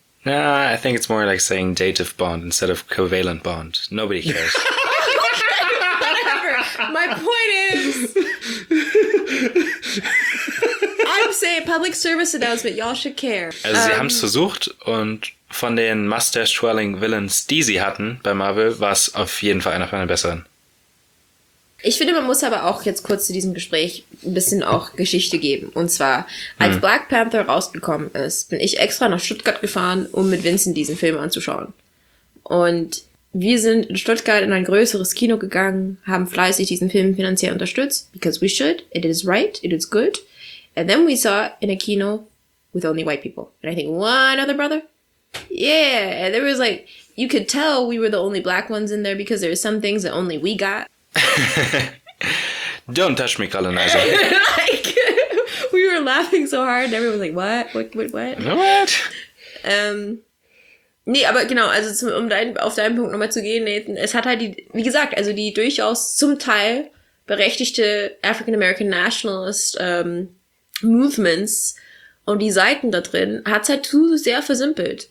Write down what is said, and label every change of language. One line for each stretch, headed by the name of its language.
English: Nah, I think it's more like saying dative bond instead of covalent bond. Nobody cares. Whatever. My point is... I'm saying public service announcement. Y'all should care.
German: Also sie haben es versucht und... Von den Mustache-Twirling-Villains, die sie hatten bei Marvel, war es auf jeden Fall einer von den besseren. Ich finde, man muss aber auch jetzt kurz zu diesem Gespräch ein bisschen auch Geschichte geben. Und zwar, als Black Panther rausgekommen ist, bin ich extra nach Stuttgart gefahren, um mit Vincent diesen Film anzuschauen. Und wir sind in Stuttgart in ein größeres Kino gegangen, haben fleißig diesen Film finanziell unterstützt,
English: because we should, it is right, it is good. And then we saw in a Kino with only white people. And I think, one other brother? Yeah, there was like, you could tell we were the only black ones in there because there are some things that only we got. Don't touch me, colonizer. Like, we were laughing so hard and everyone was like, what? What?
German: Nee, aber genau, also auf deinen Punkt nochmal zu gehen, Nathan, es hat halt, wie gesagt, also die durchaus zum Teil berechtigte African-American Nationalist Movements und die Seiten da drin hat es halt zu sehr versimpelt.